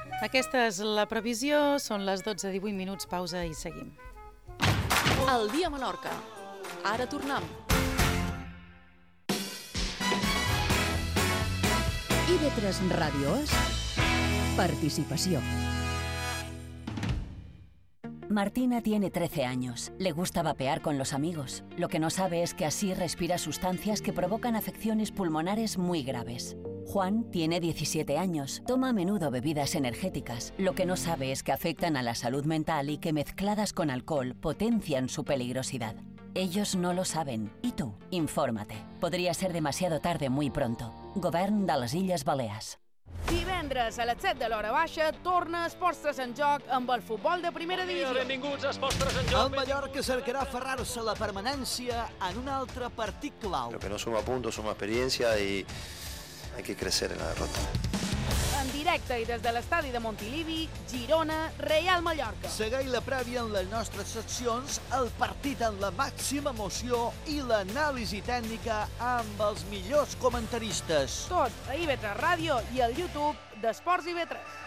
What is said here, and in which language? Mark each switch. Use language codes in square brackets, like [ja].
[ca] Aquesta és la previsió. Són les 12:18 minuts. Pausa i seguim. El Dia Menorca. Ara tornem. IB3 Ràdio és participació. [es] Martina tiene 13 años. Le gusta vapear con los amigos. Lo que no sabe es que así respira sustancias que provocan afecciones pulmonares muy graves. Juan tiene 17 años. Toma a menudo bebidas energéticas. Lo que no sabe es que afectan a la salud mental y que mezcladas con alcohol potencian su peligrosidad. Ellos no lo saben. Y tú, infórmate. Podría ser demasiado tarde muy pronto. [ca] Govern de les Illes Balears. Divendres a les 7 de l'hora baixa torna Esports 3 en Joc amb el futbol de primera divisió. Benvinguts a Esports 3 en Joc. El Mallorca cercarà aferrar-se a la permanència en un altre partit clau. [es] Lo que no suma puntos suma experiencia y hay que crecer en la derrota. [ca] En directe i des de l'estadi de Montilivi, Girona, Real Mallorca. Segueix la prèvia en les nostres seccions, el partit amb la màxima emoció i l'anàlisi tècnica amb els millors comentaristes. Tot a IB3 Ràdio i al YouTube d'Esports IB3.